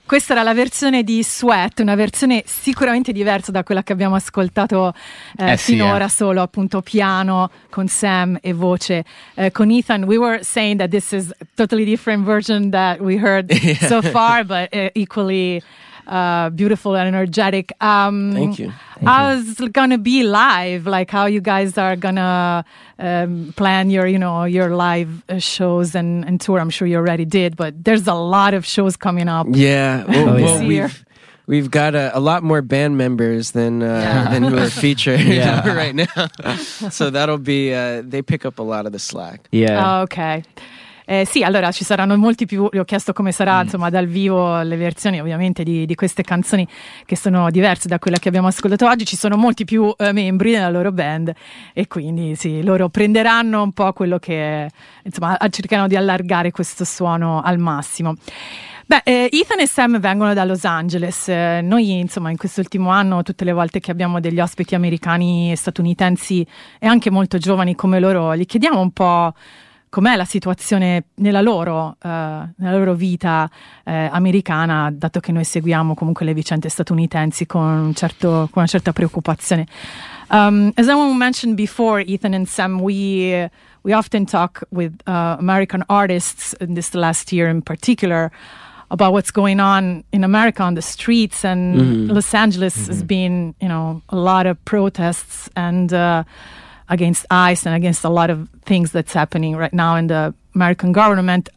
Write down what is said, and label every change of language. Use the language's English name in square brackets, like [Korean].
[Italian] Questa era la versione di Sweat, una versione sicuramente diversa da quella che abbiamo ascoltato finora, solo appunto piano con Sam e voce con Ethan. [English] We were saying that this is a totally different version that we heard so far, but equally beautiful and energetic. How's it gonna be live? Like, how you guys are gonna plan your, you know, your live shows and tour? I'm sure you already did, but there's a lot of shows coming up. Yeah, we've got a lot more band members than who are featured right now. So that'll be they pick up a lot of the slack. Yeah. Okay. [Italian] Sì, allora ci saranno molti più, ho chiesto come sarà insomma dal vivo le versioni ovviamente di queste canzoni che sono diverse da quella che abbiamo ascoltato oggi. Ci sono molti più membri della loro band e quindi sì, loro prenderanno un po' quello che insomma cercheranno di allargare questo suono al massimo. Beh, Ethan e Sam vengono da Los Angeles. Noi insomma in quest'ultimo anno tutte le volte che abbiamo degli ospiti americani e statunitensi e anche molto giovani come loro, gli chiediamo un po' com'è la situazione nella loro vita americana, dato che noi seguiamo comunque le vicende statunitensi con un certo, con una certa preoccupazione. [English] As someone mentioned before, Ethan and Sam, we often talk with American artists in this last year in particular about what's going on in America on the streets, and Los Angeles has been, you know, a lot of protests and against ICE and against a lot of things that's happening right now in the American government.